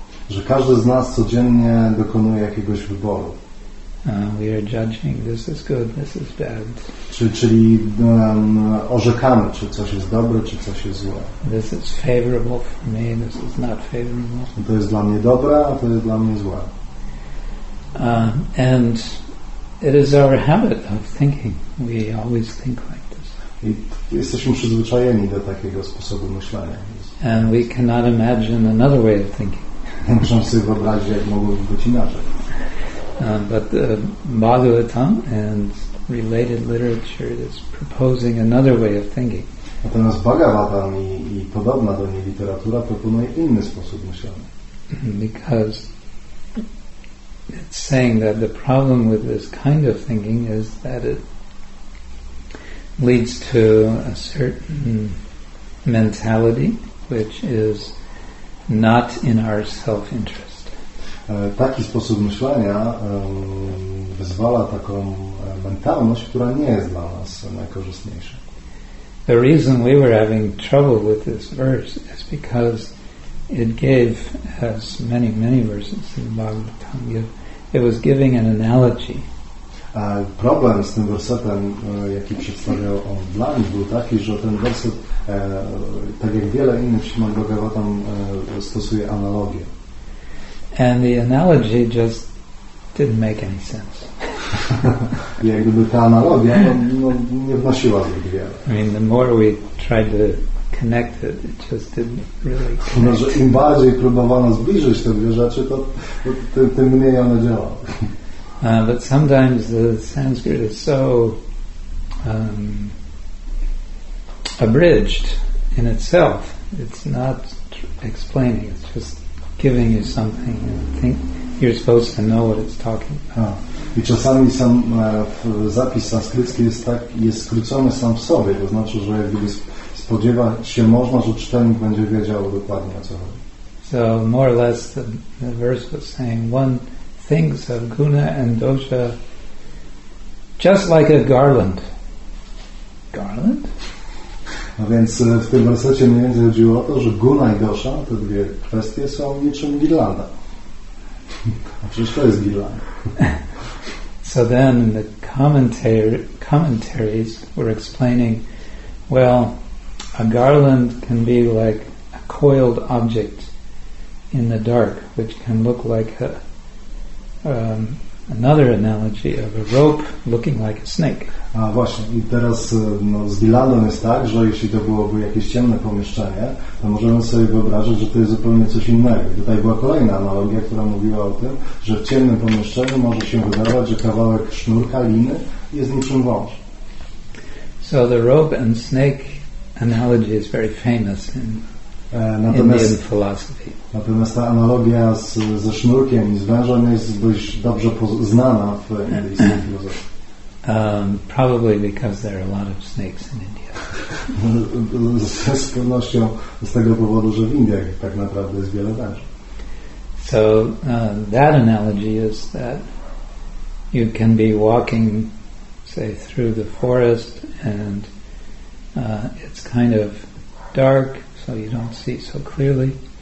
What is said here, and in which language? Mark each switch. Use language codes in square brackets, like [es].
[pl] Że każdy z nas codziennie dokonuje jakiegoś wyboru. [en] We are judging, this is good, this is bad. [pl] Czyli orzekamy, czy coś jest dobre, czy coś jest złe. [en] This is favorable for me, this is not favorable. [pl] To jest dla mnie dobre, a to jest dla mnie złe. [en] And it is our habit of thinking. We always think like this. [pl] I jesteśmy przyzwyczajeni do takiego sposobu myślenia. [en] And we cannot imagine another way of thinking. [pl] Muszę sobie wyobrazić, jak mogłoby być inaczej. [en] But the Bhagavatam and related literature is proposing another way of thinking. [pl] Natomiast Bhagavatam i podobna do niej literatura proponuje inny sposób myślenia. [en] Because it's saying that the problem with this kind of thinking is that it leads to a certain mentality which is not in our self-interest. [pl] Taki sposób myślenia wyzwala taką mentalność, która nie jest dla nas najkorzystniejsza. [en] The reason we were having trouble with this verse is because it gave, as many, many verses in the Bhagavatam give, it was giving an analogy. [pl] Problem z tym wersetem, jaki przedstawiał on dla nich, był taki, że ten werset, tak jak wiele innych Śrimad Bhagavatam, stosuje analogię. [en] And the analogy just didn't make any sense. [pl] Jak gdyby ta analogia nie wnosiła zbyt wiele. [en] I mean, the more we tried to connect it, it just didn't really connect. [pl] Im bardziej próbowano zbliżyć te dwie rzeczy, to tym mniej one działały. [en] But sometimes the Sanskrit is so abridged in itself. It's not explaining. It's just giving you something and think you're supposed to know what it's talking about. [pl] I czasami sam zapis sanskrycki jest tak, jest skrócony sam w sobie, to znaczy, że gdyby spodziewa się można, że czytelnik będzie wiedział dokładnie, o co chodzi. [en] So more or less the verse was saying one thinks of guna and dosha just like a garland. Garland? [pl] A więc w tym wersecie mniej więcej chodziło o to, że guna i dosha, te dwie kwestie, są niczym girlanda. A przecież to jest girlanda. [en] So then the commentaries were explaining, well, a garland can be like a coiled object in the dark, which can look like a, another analogy of a rope looking like a snake. [pl] A właśnie, i teraz no, z girlandą jest tak, że jeśli to byłoby jakieś ciemne pomieszczenie, to możemy sobie wyobrazić, że to jest zupełnie coś innego. I tutaj była kolejna analogia, która mówiła o tym, że w ciemnym pomieszczeniu może się wydawać, że kawałek sznurka, liny jest niczym wąż. [en] So the rope and snake analogy is very famous in Indian philosophy. [pl] Natomiast ta analogia z, ze sznurkiem i z wężem jest dość dobrze znana w indyjskiej filozofii. [en] Probably because there are a lot of snakes in India. [pl] Z pewnością z tego powodu, że w Indiach tak naprawdę jest wiele węży. [en] So that analogy is that you can be walking, say, through the forest, and it's kind of dark, so you don't see so clearly.